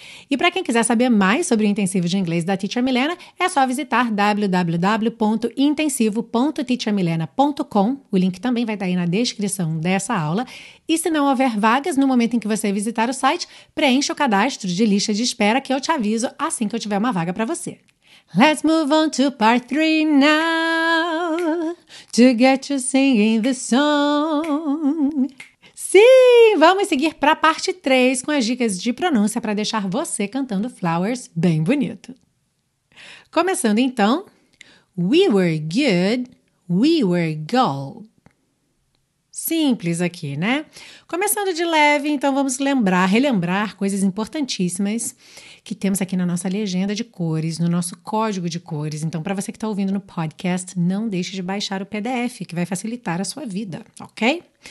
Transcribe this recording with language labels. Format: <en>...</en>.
<pt>E para quem quiser saber mais sobre o intensivo de inglês da Teacher Milena, é só visitar www.intensivo.teachermilena.com. O link também vai estar aí na descrição dessa aula. E se não houver vagas, no momento em que você visitar o site, preencha o cadastro de lista de espera que eu te aviso assim que eu tiver uma vaga para você.</pt> <en>Let's move on to part 3 now, to get you singing the song.</en> <pt>Sim, vamos seguir para a parte 3 com as dicas de pronúncia para deixar você cantando Flowers bem bonito. Começando então,</pt> <en>we were good, we were gold.</en> <pt>Simples aqui, né? Começando de leve, então vamos lembrar, relembrar coisas importantíssimas que temos aqui na nossa legenda de cores, no nosso código de cores. Então, para você que está ouvindo no podcast, não deixe de baixar o PDF, que vai facilitar a sua vida, ok?</pt>